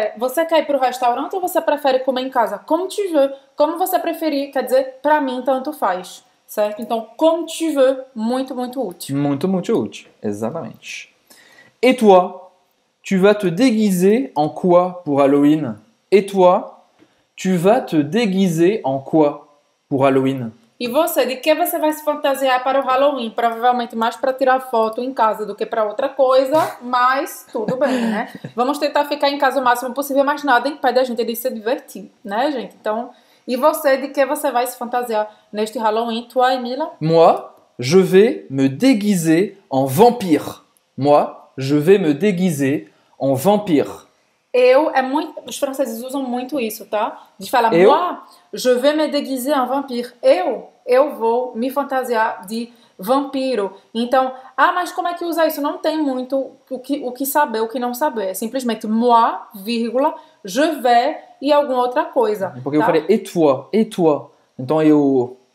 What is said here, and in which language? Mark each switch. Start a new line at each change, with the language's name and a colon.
Portuguese: Você quer ir pro restaurante ou você prefere comer em casa?
French: Comme tu veux.
Portuguese: Como você preferir, quer dizer, pra mim, tanto faz. Certo? Então,
French: comme tu veux,
Portuguese: muito, muito útil. Muito, muito útil. Exatamente.
French: Et toi, tu vas te déguiser en quoi pour Halloween? Et toi, tu vas te déguiser en quoi pour Halloween?
Portuguese: E você, de que você vai se fantasiar para o Halloween? Provavelmente mais para tirar foto em casa do que para outra coisa, mas tudo bem, né? Vamos tentar ficar em casa o máximo possível, mas nada impede a gente de se divertir, né, gente? Então, e você, de que você vai se fantasiar neste Halloween, toi, Emila?
French: Moi, je vais me déguiser en vampire. Moi, je vais me déguiser en vampire.
Portuguese: Eu, os franceses usam muito isso, tá? De falar, eu?
French: Moi, je vais me déguiser en vampire.
Portuguese: Eu vou me fantasiar de vampiro. Então, mas como é que usa isso? Não tem muito o que saber, o que não saber. É simplesmente moi, vírgula, je vais e alguma outra coisa. Porque tá? Eu falei,
French: et toi.
Portuguese: Então eu...